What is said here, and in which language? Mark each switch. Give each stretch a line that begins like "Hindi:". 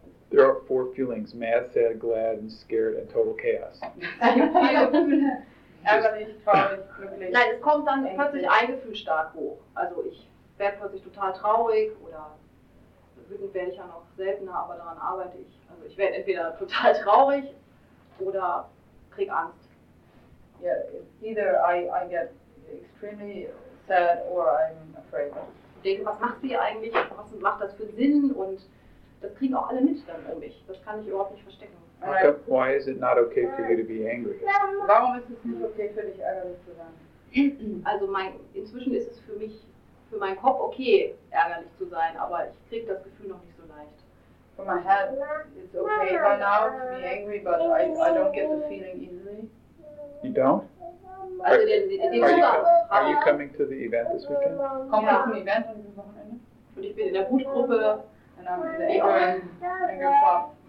English: There are four feelings, mad, sad, glad, and scared, and total chaos.
German: Nein, es kommt dann plötzlich ein Gefühl stark hoch. Also ich werde plötzlich total traurig oder wütend werde ich ja noch seltener, aber daran arbeite ich. Also ich werde entweder total traurig oder krieg Angst.
English: Yeah, either I get extremely sad or I'm afraid.
German: Ich denke, was macht sie eigentlich? Was macht das für Sinn? Und das kriegen auch alle mit dann um mich. Das kann ich überhaupt nicht verstecken.
English: Why is it not okay for you to be angry?
German: Warum ist es nicht okay für dich ärgerlich zu sein? Also inzwischen ist es für mich, für meinen Kopf okay, ärgerlich zu sein, aber ich kriege das Gefühl noch nicht so leicht.
English: For my head, it's okay by now to be angry, but I don't get the feeling easily. You don't?
German: Also den Zugang.
English: Are you coming to the event this weekend?
German: Komm ich zum Event an diesem Wochenende? Und ich bin in der Wutgruppe.
English: And I'm in the angry pop.